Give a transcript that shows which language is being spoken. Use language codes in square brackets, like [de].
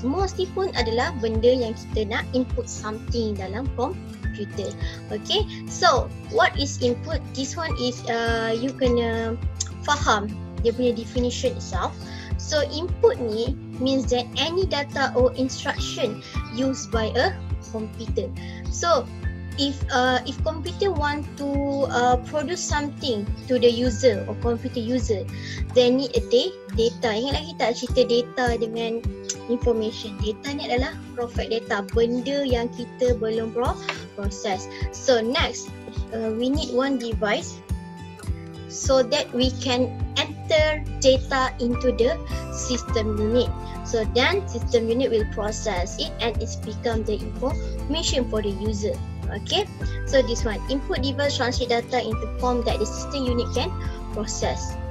[ms] Mouse ni pun adalah benda yang kita nak [en] input something [ms] dalam computer. [en] Okay, so what is input? This one is you [ms] kena faham dia punya [en] definition itself. So input ni means that any data or instruction used by a computer. So if computer want to produce something to the user or computer user, they need a data. [ms] Ingatlah kita cerita data dengan information. Data ni adalah perfect data, benda yang kita belum proses. [en] So next, we need one device so that we can enter data into the system unit. So then system unit will process it, and it become the information for the user. Okay, so this one, input device transit data into form that the system unit can process.